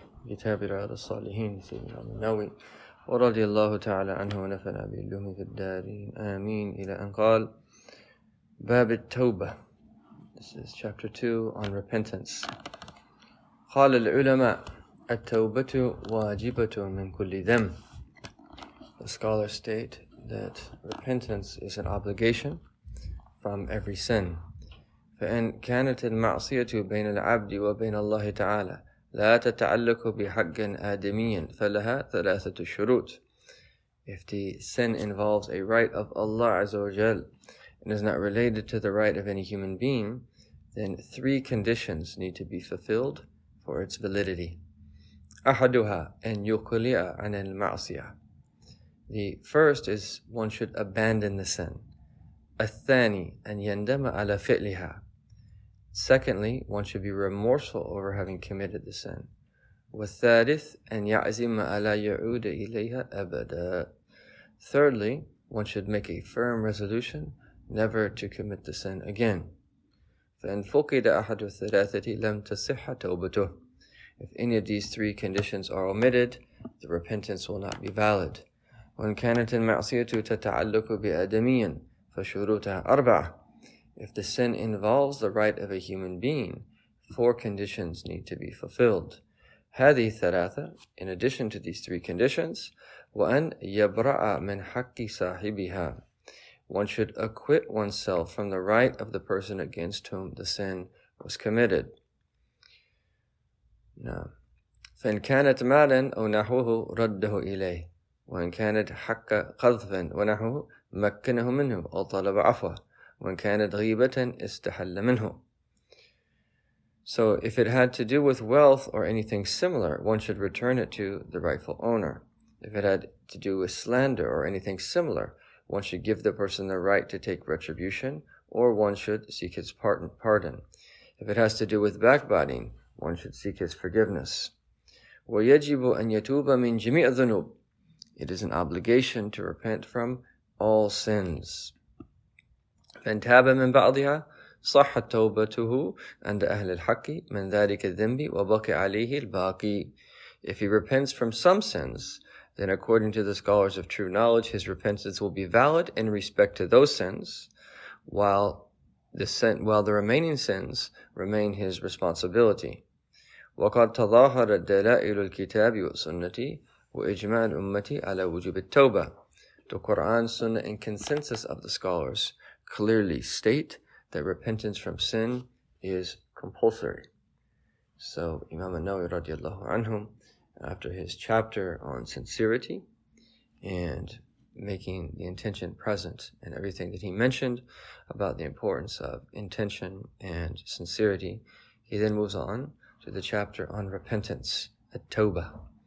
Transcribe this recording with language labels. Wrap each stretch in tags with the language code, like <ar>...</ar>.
<ar>كتاب رياض الصالحين سيدنا النووي ورضي الله تعالى عنه ونفعنا بعلومه في الدارين آمين. إلى أن قال باب التوبة.</ar> <en>This is chapter 2 on repentance.</en> <ar>قال العلماء التوبة واجبة من كل ذنب.</ar> <en>The scholars state that repentance is an obligation from every sin.</en> <ar>فإن كانت المعصية بين العبد وبين الله تعالى لا تتعلق بحق آدمي فلها ثلاثة شروط.</ar> <en>If the sin involves a right of Allah عز وجل and is not related to the right of any human being, then three conditions need to be fulfilled for its validity.</en> <ar>أحدها أن يقلع عن المعصية.</ar> <en>The first is one should abandon the sin.</en> <ar>الثاني أن يندم على فعلها.</ar> <en>Secondly, one should be remorseful over having committed the sin.</en> <ar>والثالث أن يعزم على يعود إليها أبدا.</ar> <en>Thirdly, one should make a firm resolution never to commit the sin again.</en> <ar>فإن فقد أحد الثلاثة لم تصح توبته.</ar> <en>If any of these three conditions are omitted, the repentance will not be valid.</en> <ar>وإن كانت المعصية تتعلق بآدميٍ فشروطها أربعة.</ar> <en>If the sin involves the right of a human being, four conditions need to be fulfilled.</en> <ar>هذه ثلاثة,</ar> <en>in addition to these three conditions,</en> <ar>وأن يبرأ من حق صاحبها.</ar> <en>One should acquit oneself from the right of the person against whom the sin was committed.</en> <ar>فإن كانت مالاً أو نحوه رده إليه. وإن كانت حق قذف ونحو مكنه منه أو طلب عفوة. وإن كانت غيبة استحل منه.</ar> <en>So if it had to do with wealth or anything similar, one should return it to the rightful owner. If it had to do with slander or anything similar, one should give the person the right to take retribution, or one should seek his pardon. If it has to do with backbiting, one should seek his forgiveness.</en> <ar>ويجب أن يتوب من جميع الذنوب.</ar> <en>It is an obligation to repent from all sins.</en> <ar>فإن تاب من بعضها صح توبته عند أهل الحق من ذلك الذنب وبقي عليه الباقي.</ar> <en>If he repents from some sins, then according to the scholars of true knowledge, his repentance will be valid in respect to those sins, while the remaining sins remain his responsibility.</en> <ar>وقد تظاهرت دلائل الكتاب والسنة وإجماع الأمة على وجوب التوبة.</ar> <en>The Quran, Sunnah, and consensus of the scholars clearly state that repentance from sin is compulsory. So Imam An-Nawawi radiallahu anhum, after his chapter on sincerity and making the intention present and everything that he mentioned about the importance of intention and sincerity, he then moves on to the chapter on repentance, at-tawbah.</en>